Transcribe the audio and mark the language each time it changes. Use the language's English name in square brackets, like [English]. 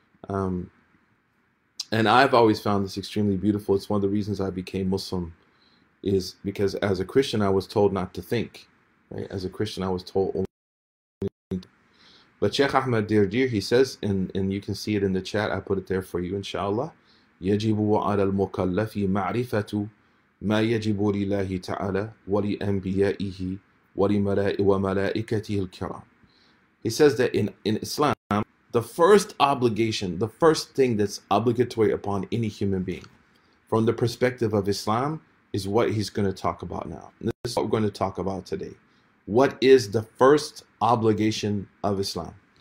[English] And I've always found this extremely beautiful. It's one of the reasons I became Muslim, is because as a Christian, I was told not to think. Right? As a Christian, I was told only to think. But Sheikh Ahmed Dardir, he says, and you can see it in the chat, I put it there for you, inshallah. [Arabic] يجب على المكلف معرفة ما يجب لله تعالى ولأنبيائه وملائكته الكرام. [English] He says that in Islam, the first obligation, the first thing that's obligatory upon any human being from the perspective of Islam is what he's going to talk about now. And this is what we're going to talk about today. What is the first obligation of Islam?